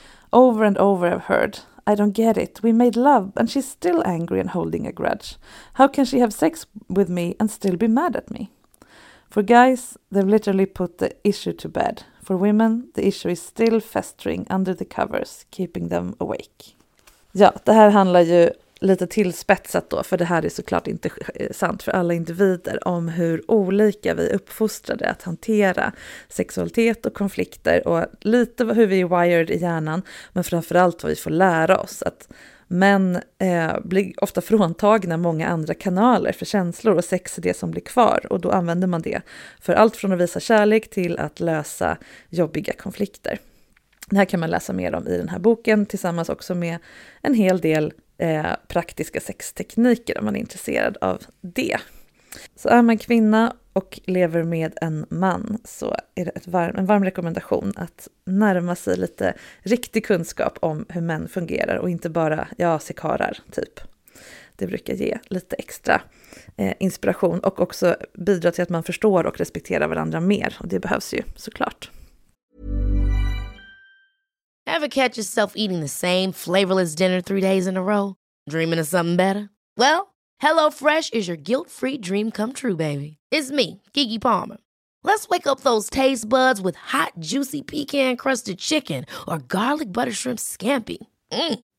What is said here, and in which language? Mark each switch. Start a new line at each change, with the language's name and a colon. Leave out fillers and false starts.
English: Over and over I've heard, "I don't get it, we made love and she's still angry and holding a grudge. How can she have sex with me and still be mad at me?" For guys, they've literally put the issue to bed. For women, the issue is still festering under the covers, keeping them awake.
Swedish: Ja, det här handlar ju lite tillspetsat då, för det här är såklart inte sant för alla individer, om hur olika vi uppfostrade att hantera sexualitet och konflikter och lite hur vi är wired i hjärnan, men framförallt vad vi får lära oss, att män blir ofta fråntagna många andra kanaler för känslor och sex är det som blir kvar, och då använder man det för allt från att visa kärlek till att lösa jobbiga konflikter. Det här kan man läsa mer om i den här boken tillsammans också med en hel del praktiska sextekniker om man är intresserad av det. Så är man kvinna och lever med en man, så är det en varm rekommendation att närma sig lite riktig kunskap om hur män fungerar och inte bara, ja, se karar typ. Det brukar ge lite extra inspiration och också bidra till att man förstår och respekterar varandra mer, och det behövs ju såklart.
English: Ever catch yourself eating the same flavorless dinner 3 days in a row? Dreaming of something better? Well, HelloFresh is your guilt-free dream come true, baby. It's me, Keke Palmer. Let's wake up those taste buds with hot, juicy pecan-crusted chicken or garlic butter shrimp scampi. Mm.